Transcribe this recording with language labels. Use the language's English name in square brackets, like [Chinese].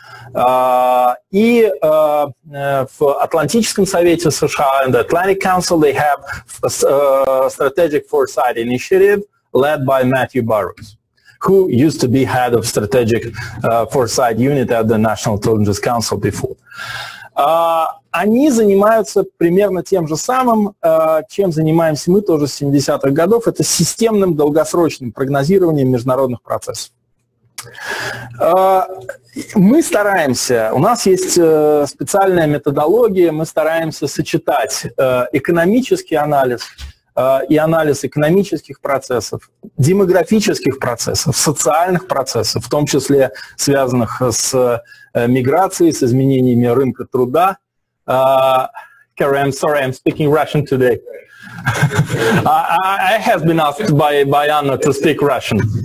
[Russian] В Атлантическом совете США, [English] in the Atlantic Council, they have a strategic foresight initiative led by Matthew Burroughs, who used to be head of strategic foresight unit at the National Intelligence Council before. [Russian] Они занимаются примерно тем же самым, чем занимаемся мы тоже с 70-х годов, это системным долгосрочным прогнозированием международных процессов. Мы стараемся, у нас есть специальная методология, мы стараемся сочетать экономический анализ и анализ экономических процессов, демографических процессов, социальных процессов, в том числе связанных с миграцией, с изменениями рынка труда. [English] Karen, sorry, I'm speaking Russian today. I have been asked by Anna to speak Russian.